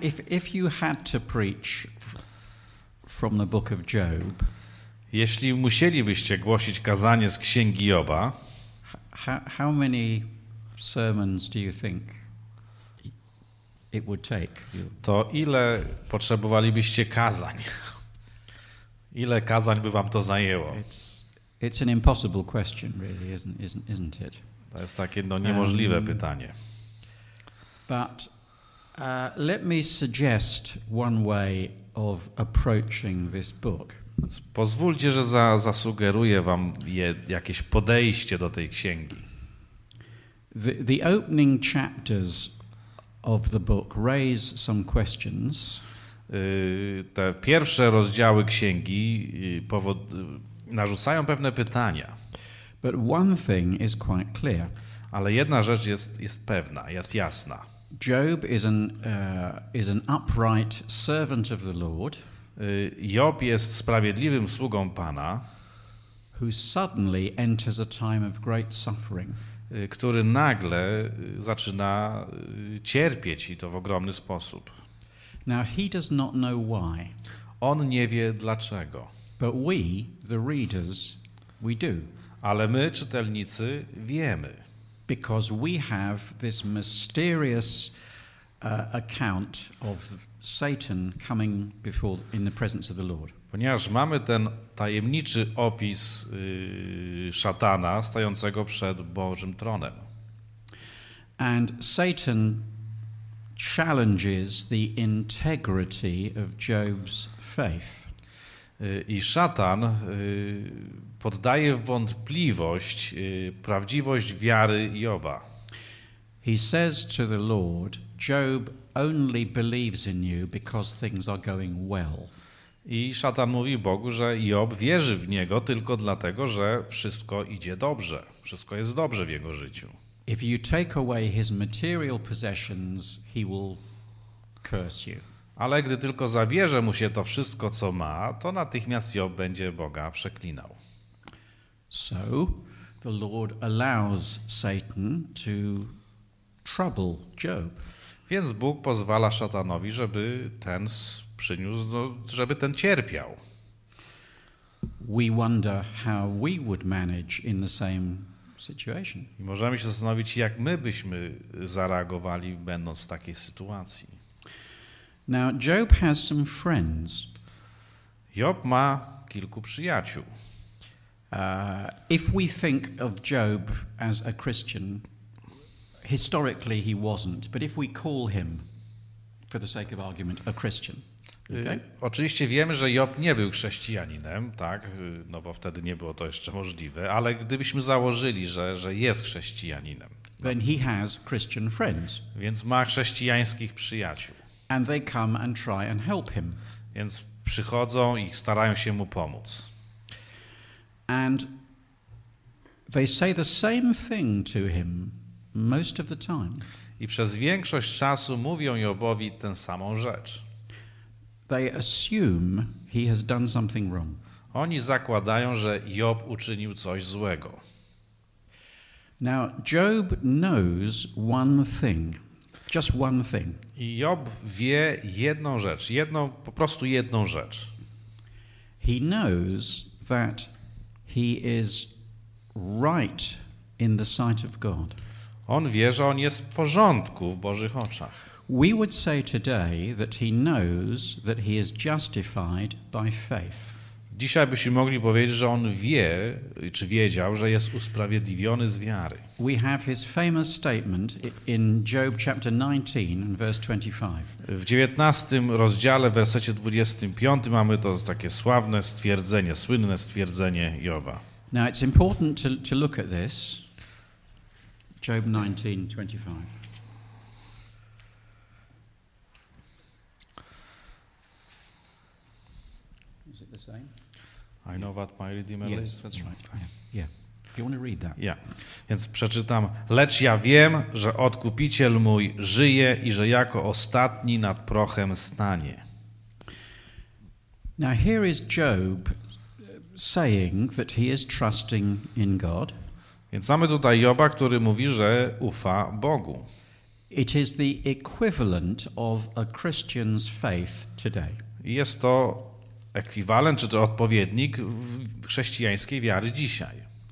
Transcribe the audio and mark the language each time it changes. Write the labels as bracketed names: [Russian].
[English] If you had to preach from the book of Job. [Polish] Jeśli musielibyście głosić kazanie z księgi Joba, [English] how many sermons do you think it would take? [Polish] To ile potrzebowalibyście kazań? Ile kazań by wam to zajęło? [English] It's an impossible question really, isn't it? [Polish] To jest takie niemożliwe pytanie. [English] But let me suggest one way of approaching this book. [Polish] Pozwólcie, że zasugeruję wam jakieś podejście do tej księgi. [English] The opening chapters of the book raise some questions. [Polish] Te pierwsze rozdziały księgi narzucają pewne pytania. [English] But one thing is quite clear. [Polish] Ale jedna rzecz jest pewna, jest jasna. [English] Job is an upright servant of the Lord. [Polish] Job jest sprawiedliwym sługą Pana, [English] who suddenly enters a time of great suffering. [Polish] Który nagle zaczyna cierpieć i to w ogromny sposób. [English] Now he does not know why. [Polish] On nie wie dlaczego. [English] But we, the readers, we do. [Polish] Ale my, czytelnicy, wiemy. [English] Because we have this mysterious account of Satan coming before in the presence of the Lord. [Polish] Ponieważ mamy ten tajemniczy opis szatana stojącego przed Bożym tronem. [English] And Satan challenges the integrity of Job's faith. [Polish] I szatan poddaje w wątpliwość prawdziwość wiary Joba. [English] He says to the Lord, Job only believes in you because things are going well. [Polish] I szatan mówi Bogu, że Job wierzy w niego tylko dlatego, że wszystko idzie dobrze. Wszystko jest dobrze w jego życiu. [English] If you take away his material possessions, he will curse you. [Polish] Ale gdy tylko zabierze mu się to wszystko, co ma, to natychmiast Job będzie Boga przeklinał. [English] So the Lord allows Satan to trouble Job. [Polish] Więc Bóg pozwala szatanowi, żeby ten przyniósł, no, żeby ten cierpiał. [English] We wonder how we would manage in the same situation. [Polish] I możemy się zastanowić, jak my byśmy zareagowali, będąc w takiej sytuacji. [English] Now, Job has some friends. [Polish] Job ma kilku przyjaciół. [English] If we think of Job as a Christian, Historically he wasn't, but if we call him, for the sake of argument, a Christian. Okay? [Polish] Oczywiście wiemy, że Job nie był chrześcijaninem, tak? No bo wtedy nie było to jeszcze możliwe, ale gdybyśmy założyli, że jest chrześcijaninem. [English] Then he has Christian friends. [Polish] Więc ma chrześcijańskich przyjaciół. [English] And they come and try and help him. [Polish] Więc przychodzą i starają się mu pomóc. [English] And they say the same thing to him most of the time. [Polish] I przez większość czasu mówią Jobowi tę samą rzecz. [English] They assume he has done something wrong. [Polish] Oni zakładają, że Job uczynił coś złego. [English] Now Job knows one thing. Just one thing. [Polish] I Job wie jedną rzecz, jedną rzecz. [English] He knows that he is right in the sight of God. [Polish] On wie, że on jest w porządku w Bożych oczach. [English] We would say today that he knows that he is justified by faith. [Polish] Dzisiaj byśmy mogli powiedzieć, że on wie, czy wiedział, że jest usprawiedliwiony z wiary. [English] We have his famous statement in Job chapter 19 and verse 25. [Polish] W 19 rozdziale, w wersecie 25 mamy to takie sławne stwierdzenie, słynne stwierdzenie Joba. [English] Now it's important to look at this. Job 19:25. Is it the same? I know what my redeemer yes, is. Yes, that's right. Yeah. Do you want to read that? [Polish] Yeah. Więc przeczytam. Lecz ja wiem, że odkupiciel mój żyje i że jako ostatni nad prochem stanie. [English] Now here is Job saying that he is trusting in God. [Polish] Więc mamy tutaj Joba, który mówi, że ufa Bogu. [English] It is the equivalent of a Christian's faith today. [Polish] Jest to ekwiwalent, czy to odpowiednik chrześcijańskiej wiary dzisiaj.